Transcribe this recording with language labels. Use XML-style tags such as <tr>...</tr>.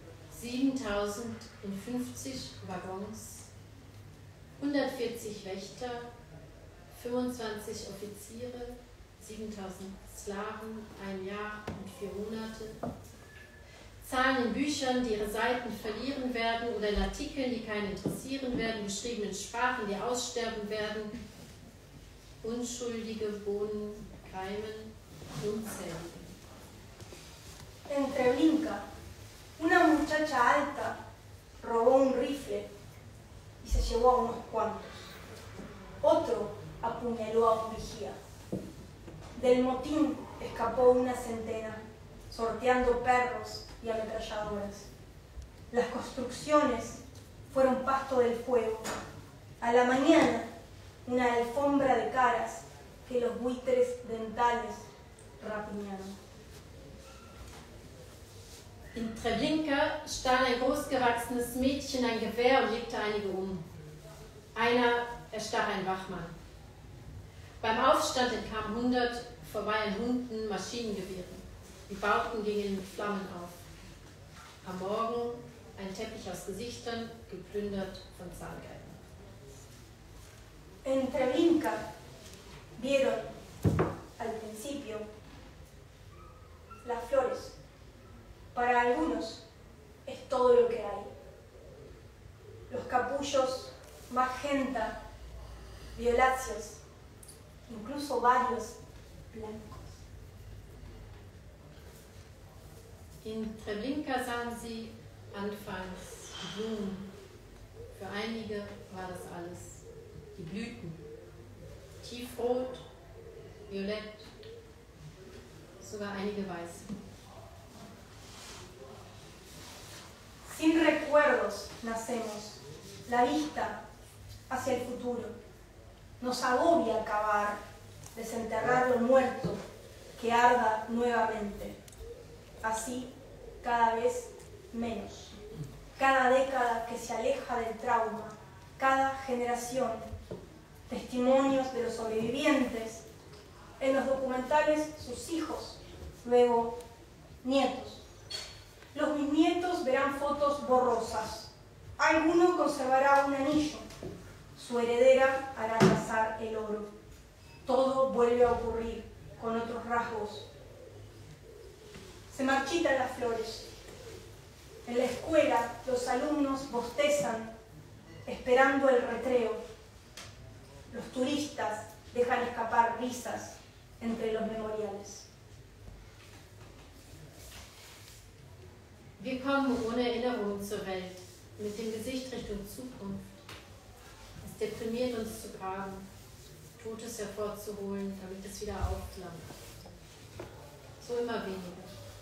<de>7000 in 50 Waggons, 140 Wächter, 25 Offiziere, 7000 Sklaven, ein Jahr und 4 Monate. Zahlen in Büchern, die ihre Seiten verlieren werden, oder in Artikeln, die keinen interessieren werden, geschriebenen Sprachen, die aussterben werden, unschuldige Bohnen keimen, unzählige.</de> <es>En Treblinka, una muchacha alta robó un rifle y se llevó a unos cuantos. Otro apuñaló a un vigía. Del motín escapó una centena, sorteando perros y ametralladoras. Las construcciones fueron pasto del fuego. A la mañana, una alfombra de caras que los buitres dentales rapiñaron.</es> <de>In Treblinka stahl ein großgewachsenes Mädchen ein Gewehr und legte einige um. Einer erstach ein Wachmann. Beim Aufstand entkamen 100 vorbei an Hunden Maschinengewehren. Die Bauten gingen mit Flammen auf. Am Morgen ein Teppich aus Gesichtern, geplündert von Zahngeldern.</de> <es>In Treblinka vieron al principio las flores. Para algunos es todo lo que hay. Los capullos, magenta, violáceos, incluso varios blancos.</es> <de>In Treblinka sahen sie anfangs Blumen. Für einige war das alles. Die Blüten. Tiefrot, violett, sogar einige weiße.</de> <es>Sin recuerdos nacemos, la vista hacia el futuro. Nos agobia acabar, desenterrar lo muerto, que arda nuevamente. Así, cada vez menos. Cada década que se aleja del trauma, cada generación, testimonios de los sobrevivientes, en los documentales sus hijos, luego nietos. Los bisnietos verán fotos borrosas. Alguno conservará un anillo. Su heredera hará pasar el oro. Todo vuelve a ocurrir con otros rasgos. Se marchitan las flores. En la escuela los alumnos bostezan esperando el recreo. Los turistas dejan escapar risas entre los memoriales.</es> <de>Wir kommen ohne Erinnerung zur Welt, mit dem Gesicht Richtung Zukunft. Es deprimiert uns zu graben, Totes hervorzuholen, damit es wieder aufflammt. So immer weniger.</de>